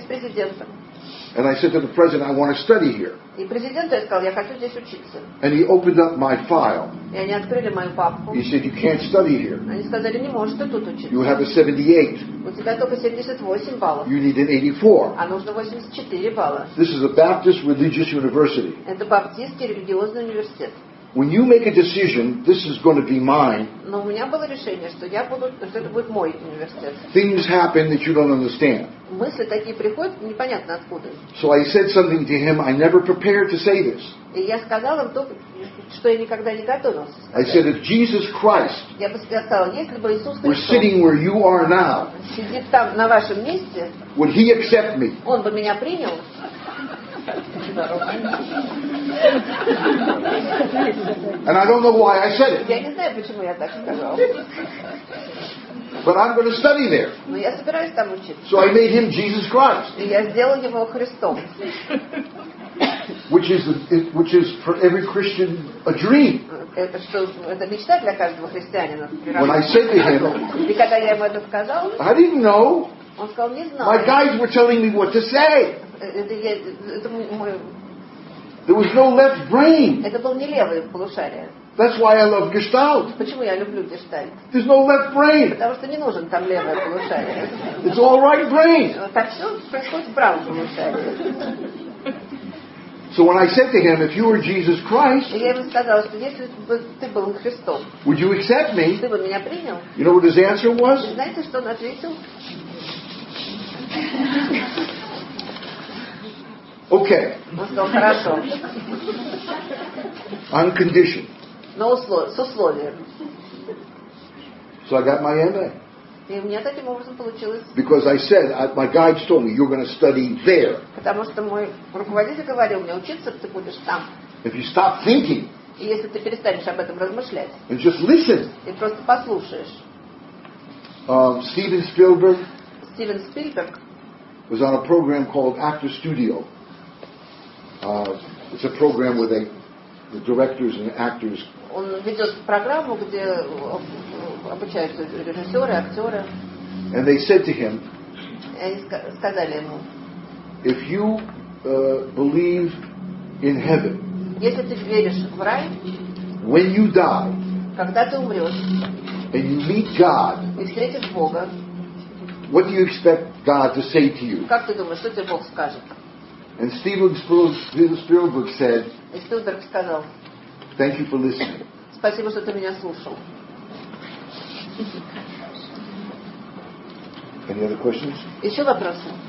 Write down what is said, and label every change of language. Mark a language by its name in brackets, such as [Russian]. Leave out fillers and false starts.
[English] And I said to the president, I want to study here. [Russian] И президенту я сказал, я хочу здесь учиться. [English] And he opened up my file. [Russian] И они открыли мою папку. [English] He said, you can't study here. [Russian] Они сказали, не можешь ты тут учиться. [English] You have a 78. [Russian] У тебя только 78 баллов. [English] You need an 84. [Russian] А нужно 84 балла. [English] This is a Baptist religious university. [Russian] Это баптистский религиозный университет. [English] When you make a decision, this is going to be mine. [Russian] Но у меня было решение, что я буду, что это будет мой университет. [English] Things happen that you don't understand. [Russian] Мысли такие приходят, непонятно откуда. [English] So I said something to him, I never prepared to say this. [Russian] И я сказал им то, что я никогда не готовился. [English] I said, if Jesus Christ were sitting where you are now, [Russian] сидит там на вашем месте, [English] would he accept me? [Russian] Он бы меня принял. [English] And I don't know why I said it. [Russian] Я не знаю, почему я так сказал. [English] But I'm going to study there. [Russian] Но я собираюсь там учиться. [English] So I made him Jesus Christ. [Russian] И я сделал его Христом. [English] Which is for every Christian a dream. [Russian] Это что, это мечта для каждого христианина. [English] When I said to him, [Russian] и когда я ему это сказал, [English] I didn't know. [Russian] Он сказал, не знал. [English] My guys were telling me what to say. There was no left brain. [Russian] Это был не левое полушарие. [English] That's why I love Gestalt. [Russian] Почему я люблю Гештальт? [English] There's no left brain. [Russian] Потому что не нужен там левое полушарие. [English] It's all right brain. [Russian] Так все происходит в правом полушарии. [English] So when I said to him, if you were Jesus Christ, [Russian] я ему сказал, что если бы ты был Христом, [English] would you accept me? [Russian] Ты бы меня принял? [English] You know what his answer was? [Russian] Знаете, что он ответил? [English] Okay. [Russian] Хорошо. [English] On condition. [Russian] Но с условием. [English] So I got my MA. [Russian] И у меня таким образом получилось. [English] Because I said, my guides told me you're going to study there. [Russian] Потому что мой руководитель говорил мне, учиться ты будешь там. [English] If you stop thinking. [Russian] И если ты перестанешь об этом размышлять. [English] And just listen. [Russian] И просто послушаешь. Стивен Спилберг. [English] Was on a program called Actor Studio. It's a program where the directors and actors. [Russian] Он ведет программу, где обучаются режиссеры, актеры. [English] And they said to him. [Russian] Они сказали ему. [English] If you believe in heaven. [Russian] Если ты веришь в рай. [English] When you die. [Russian] Когда ты умрешь. [English] And you meet God. [Russian] И встретишь Бога. [English] What do you expect God to say to you? [Russian] Как ты думаешь, что тебе Бог скажет? [English] And Steven Spielberg said, [Russian] Spielberg сказал, [English] thank you for listening. [Russian] Спасибо, что ты меня слушал. [English] Any other questions? [Russian] Еще вопросы?